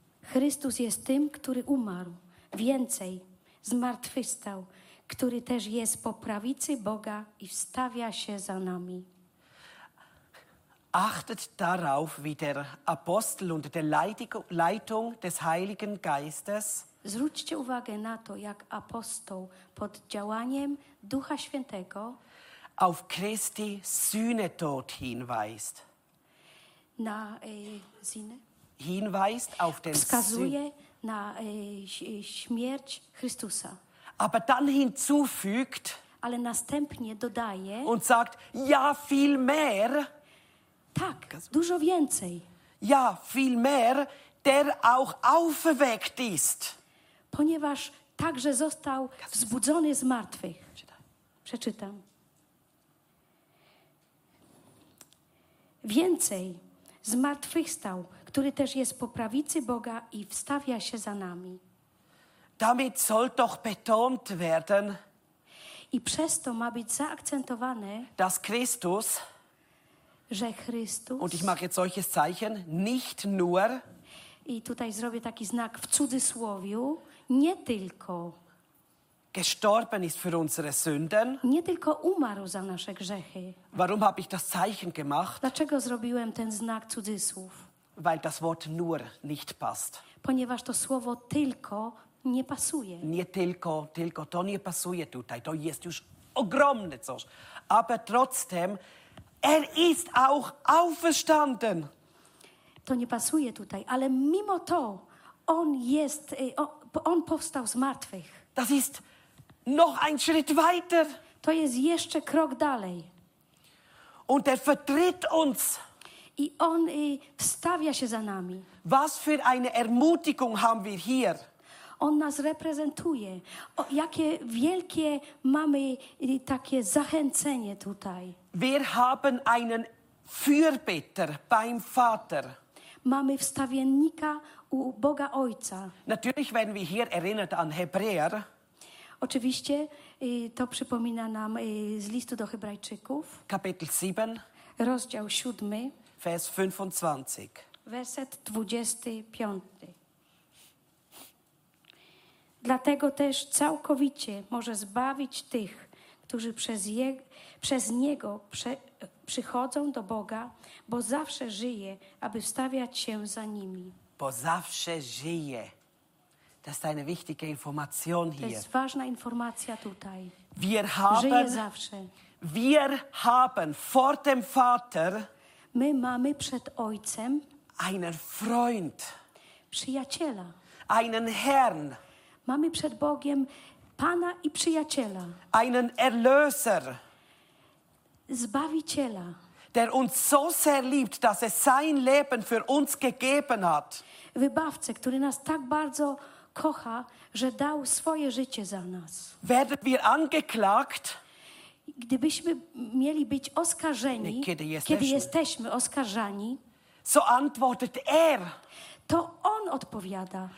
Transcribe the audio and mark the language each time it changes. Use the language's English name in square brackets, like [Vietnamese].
[Polish] Chrystus jest tym, który umarł. Więcej, zmartwychwstał, który też jest po prawicy Boga i wstawia się za nami. [German] Achtet darauf, wie der Apostel unter der Leitung des Heiligen Geistes. [Polish] Zwróćcie uwagę na to, jak apostoł pod działaniem Ducha Świętego [German] auf Christi Sühnetod hinweist. [Polish] Na Sühne? [German] Hinweist auf den [Polish] wskazuje na śmierć Chrystusa. [German] Aber dann hinzufügt, [Polish] ale następnie dodaje [German] und sagt, ja viel mehr. [Polish] Tak, dużo więcej. [German] Ja viel mehr, der auch auferweckt ist. [Polish] Ponieważ także został wzbudzony z martwych. Przeczytam. Więcej, zmartwychwstał, który też jest po prawicy Boga i wstawia się za nami. [German] Damit soll doch betont werden, [Polish] i przez to ma być zaakcentowane, [German] dass Christus, [Polish] że Chrystus, [German] und ich mache jetzt solches Zeichen, nicht nur, [Polish] i tutaj zrobię taki znak w cudzysłowiu, nie tylko, [German] gestorben ist für unsere Sünden, [Polish] nie tylko umarł za nasze grzechy. [German] Warum habe ich das Zeichen gemacht? [Polish] Dlaczego zrobiłem ten znak cudzysłów? [German] Weil das Wort nur nicht passt. [Polish] Ponieważ to słowo tylko nie pasuje. Nie tylko, tylko to nie pasuje tutaj. To jest już ogromne coś. [German] Aber trotzdem, er ist auch auferstanden. [Polish] To nie pasuje tutaj, ale mimo to, on jest, on powstał z martwych. [German] Das ist noch ein Schritt weiter. [Polish] To jest jeszcze krok dalej. [German] Und er vertritt uns. [Polish] I on wstawia się za nami. [German] Was für eine Ermutigung haben wir hier? [Polish] On nas reprezentuje. O, jakie wielkie mamy takie zachęcenie tutaj. [German] Wir haben einen Fürbitter beim Vater. [Polish] Mamy wstawiennika u Boga Ojca. [German] Natürlich werden wir hier erinnert an Hebräer. [Polish] Oczywiście to przypomina nam z listu do Hebrajczyków. [German] Kapitel 7. [Polish] Rozdział 7. [German] Vers 25. [Polish] Werset 25. Dlatego też całkowicie może zbawić tych, którzy przez Niego przychodzą do Boga, bo zawsze żyje, aby wstawiać się za nimi. Bo zawsze żyje. [German] Das ist eine wichtige Information hier. [Polish] To jest ważna informacja tutaj. [German] Wir haben, [Polish] żyje zawsze. [German] Wir haben vor dem Vater, [Polish] my mamy przed Ojcem [German] einen Freund, [Polish] przyjaciela, [German] einen Herrn, [Polish] mamy przed Bogiem Pana i przyjaciela, [German] einen Erlöser, [Polish] Zbawiciela, [German] der uns so sehr liebt, dass er sein Leben für uns gegeben hat. [Polish] Wybawcę, który nas tak bardzo kocha, że dał swoje życie za nas. [German] Werden wir angeklagt? [Polish] Gdybyśmy mieli być oskarżeni, kiedy jesteśmy oskarżani, [German] so antwortet er. [Polish] To on odpowiada.